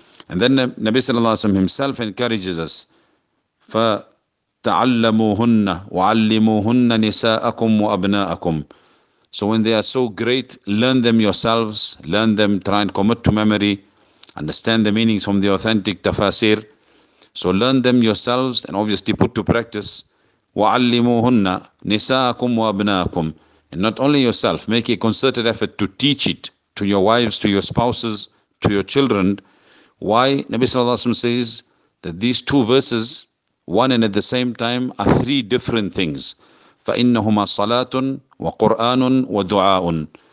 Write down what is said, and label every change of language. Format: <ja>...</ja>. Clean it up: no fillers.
<en>And then Nabi sallallahu alayhi wa sallam himself encourages us,</en> <ar>فَتَعَلَّمُوهُنَّ وَعَلِّمُوهُنَّ نِسَاءَكُمْ وَأَبْنَاءَكُمْ.</ar> <en>So when they are so great, learn them yourselves, learn them, try and commit to memory, understand the meanings from the authentic tafasir. So learn them yourselves and obviously put to practice.</en> <ar>وعلموهن نساءكم وابناءكم.</ar> <en>And not only yourself, make a concerted effort to teach it to your wives, to your spouses, to your children. Why? Nabi Sallallahu Alaihi Wasallam says that these two verses, one and at the same time, are three different things.</en> <ar>فَإِنَّهُمَا صَلَاتٌ وَقُرْآنٌ وَدُعَاءٌ.</ar>